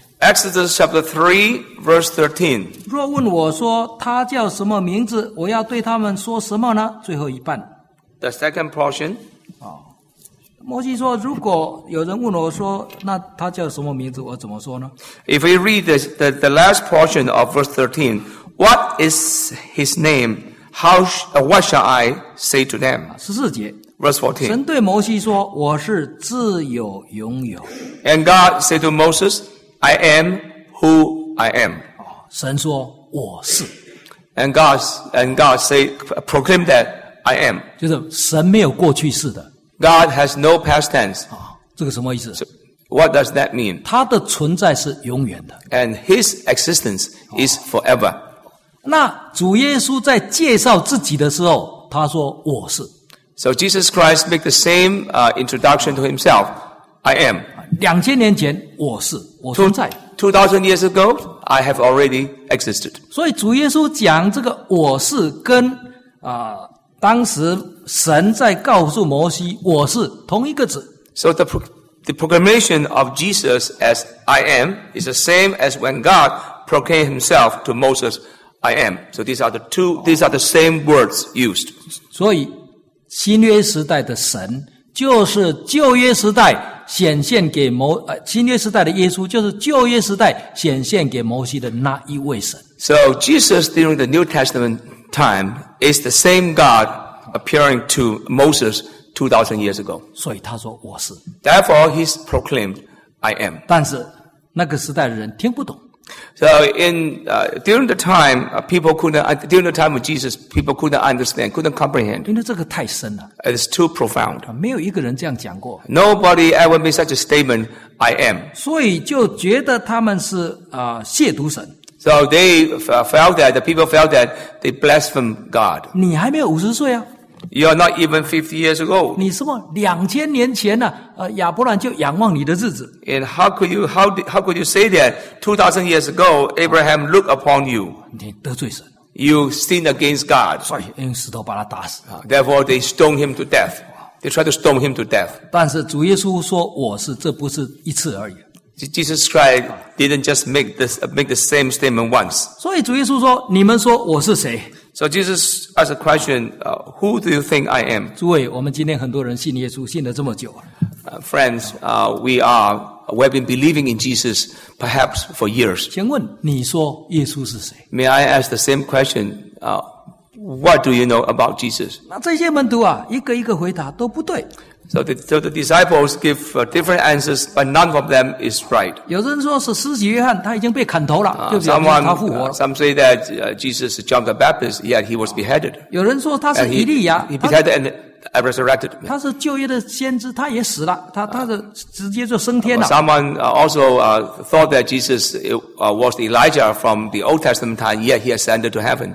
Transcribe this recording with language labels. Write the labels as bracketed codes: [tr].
[en] Exodus chapter 3, verse 13. [zh] 若问我说他叫什么名字，我要对他们说什么呢？最后一半。 [en] The second portion. [zh] 摩西说，如果有人问我说，那他叫什么名字，我怎么说呢 [en] ？If we read the last portion of verse 13, what is his name? What shall I say to them? [zh] 十四节。 [en] Verse 14. [zh] 神对摩西说我是自有永有。 [en] And God said to Moses, I am who I am. [zh] 神说我是。 [en] And God say, proclaim that I am. [zh] 就是神没有过去式的。 [en] God has no past tense. [zh] 这个什么意思？ So, [en] What does that mean? [zh] 他的存在是永远的。 [en] And his existence is forever. [zh] 那主耶稣在介绍自己的时候，他说我是。 [en] So Jesus Christ make the same introduction to himself. I am. [zh] 2000年前我是，我存在。 [en] 2000 years ago, I have already existed. [zh] 所以主耶稣讲这个我是跟当时神在告诉摩西我是同一个字。 [en] So the proclamation of Jesus as I am is the same as when God proclaimed himself to Moses, I am. So these are the same words used. [zh] 所以新约时代的神就是旧约时代显现给摩新约时代的耶稣就是旧约时代显现给摩西的那一位神。 [en] So Jesus during the New Testament time is the same God appearing to Moses 2000 years ago. [zh] 所以他说我是。 [en] Therefore he proclaimed I am. [zh] 但是那个时代的人听不懂。 [en] So during the time of Jesus, people couldn't understand, couldn't comprehend. [zh] 因为这个太深了。 [en] It's too profound. [zh] 没有一个人这样讲过。 [en] Nobody ever made such a statement, I am. [zh] 所以就觉得他们是亵渎神。 [en] So they felt that, the people felt that they blasphemed God. [zh] 你还没有50岁啊。 [en] You're not even 50 years old. [zh] 你什么2000年前呢、啊、亚伯兰就仰望你的日子。 [en] And how could you say that 2000 years ago, Abraham looked upon you. [zh] 你得罪神。 [en] You sinned against God. [zh] 所以用石头把他打死。 [en] Therefore, they stoned him to death. They tried to stone him to death. [zh] 但是主耶稣说我是这不是一次而已。 [en] Jesus Christ didn't just make the same statement once. [zh] 所以主耶稣说你们说我是谁。 [en] So Jesus asked a question, who do you think I am? [zh] 诸位我们今天很多人信耶稣信了这么久。 [en] Friends, we have been believing in Jesus perhaps for years. [zh] 请问你说耶稣是谁。 [en] May I ask the same question, what do you know about Jesus? [zh] 那这些门徒啊一个一个回答都不对。 [en] So the disciples give different answers, but none of them is right. [zh] 有人说是施洗约翰，他已经被砍头了，就表示他复活了。 [en] Some say that Jesus is John the Baptist, yet he was beheaded. [zh] 有人说他是以利亚， [en] he beheaded and resurrected. [zh] 他是旧约的先知，他也死了，他是直接就升天了。 [en] Someone also thought that Jesus was Elijah from the Old Testament time, yet he ascended to heaven.